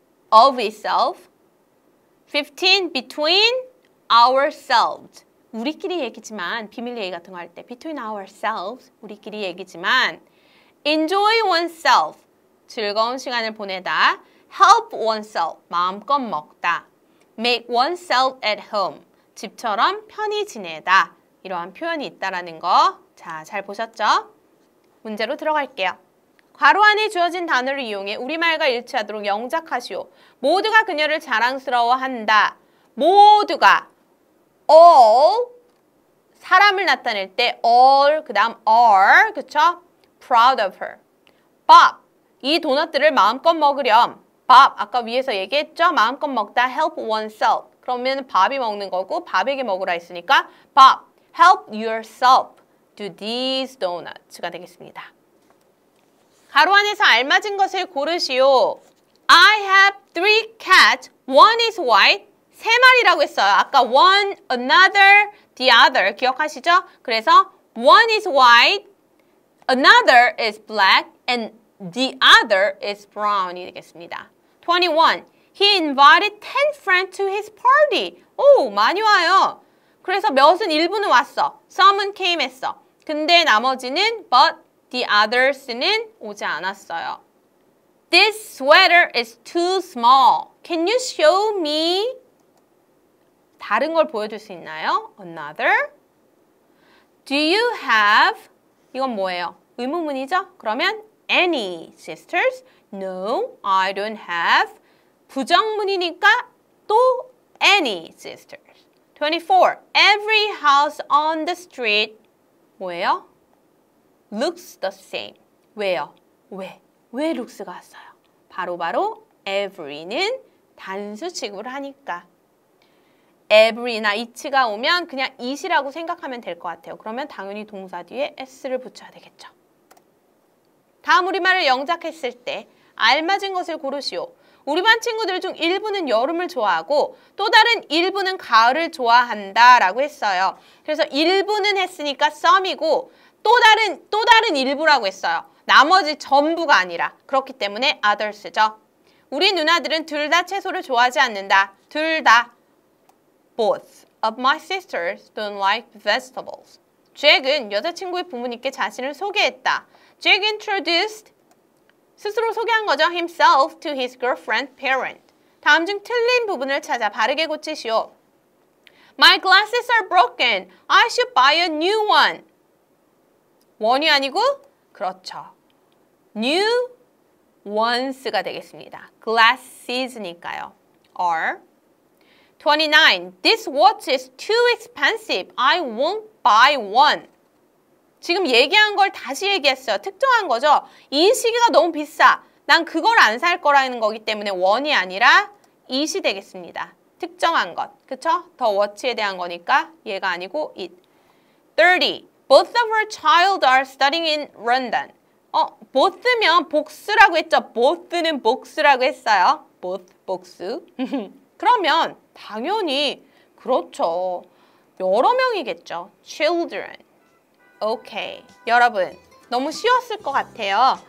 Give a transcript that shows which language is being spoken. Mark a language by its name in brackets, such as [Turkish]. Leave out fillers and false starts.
[English] Of itself. 15. Between ourselves. [Korean] 우리끼리 얘기지만, 비밀 얘기 같은 거 할 때 [English] between ourselves, [Korean] 우리끼리 얘기지만 [English] enjoy oneself, [Korean] 즐거운 시간을 보내다. [English] Help oneself, [Korean] 마음껏 먹다. [English] Make oneself at home, [Korean] 집처럼 편히 지내다. 이러한 표현이 있다라는 거. 자, 잘 보셨죠? 문제로 들어갈게요. 괄호 안에 주어진 단어를 이용해 우리말과 일치하도록 영작하시오. 모두가 그녀를 자랑스러워한다. 모두가 all 사람을 나타낼 때 all 그 다음 are 그쵸? [English] proud of her. [Korean] Bob 이 도넛들을 마음껏 먹으렴. Bob 아까 위에서 얘기했죠? 마음껏 먹다 [English] help oneself. [Korean] 그러면 Bob이 먹는 거고 Bob에게 먹으라 했으니까 [English] Bob help yourself do these donuts [Korean] 가 되겠습니다. 괄호 안에서 알맞은 것을 고르시오. [English] I have three cats. One is white. [Korean] 세 마리라고 했어요. 아까 one, another, the other 기억하시죠? 그래서 [English] one is white, another is black, and the other is brown이 되겠습니다. 21. He invited 10 friends to his party. [Korean] 오, 많이 와요. 그래서 몇은 일부는 왔어. Some은 came 했어. 근데 나머지는 but [English] The others [Korean] 는 오지 않았어요. [English] This sweater is too small. Can you show me? [Korean] 다른 걸 보여줄 수 있나요? [English] Another. Do you have? [Korean] 이건 뭐예요? 의문문이죠? 그러면 [English] any sisters? No, I don't have. [Korean] 부정문이니까 또 any sisters. 24. [English] Every house on the street [Korean] 뭐예요? [English] Looks the same. [Korean] 왜요? 왜? 왜 looks가 왔어요? 바로 every는 단수식을 하니까. every나 it가 오면 그냥 it이라고 생각하면 될 것 같아요. 그러면 당연히 동사 뒤에 s를 붙여야 되겠죠. 다음 우리말을 영작했을 때 알맞은 것을 고르시오. 우리 반 친구들 중 일부는 여름을 좋아하고 또 다른 일부는 가을을 좋아한다 라고 했어요. 그래서 일부는 했으니까 some이고 또 다른 일부라고 했어요. 나머지 전부가 아니라 그렇기 때문에 others죠. 우리 누나들은 둘 다 채소를 좋아하지 않는다. 둘 다. [English] Both of my sisters don't like vegetables. [Korean] 잭은 여자친구의 부모님께 자신을 소개했다. [English] Jack introduced [Korean] 스스로 소개한 거죠. [English] Himself to his girlfriend's parent. [Korean] 다음 중 틀린 부분을 찾아 바르게 고치시오. [English] My glasses are broken. I should buy a new one. [Korean] 원이 아니고? 그렇죠. [English] New ones가 [Korean] 되겠습니다. [English] Glasses니까요. Are 29. This watch is too expensive. I won't buy one. [Korean] 지금 얘기한 걸 다시 얘기했어요. 특정한 거죠. 이 시계가 너무 비싸. 난 그걸 안 살 거라는 거기 때문에 원이 아니라 it이 되겠습니다. 특정한 것. 그렇죠? 더 워치에 대한 거니까 얘가 아니고 it. 30. [English] Both of her child are studying in London. [Korean] Both면 복수라고 했죠. Both는 복수라고 했어요. Both, 복수. 그러면 당연히 그렇죠. 여러 명이겠죠. Children. 오케이. 여러분, 너무 쉬웠을 것 같아요.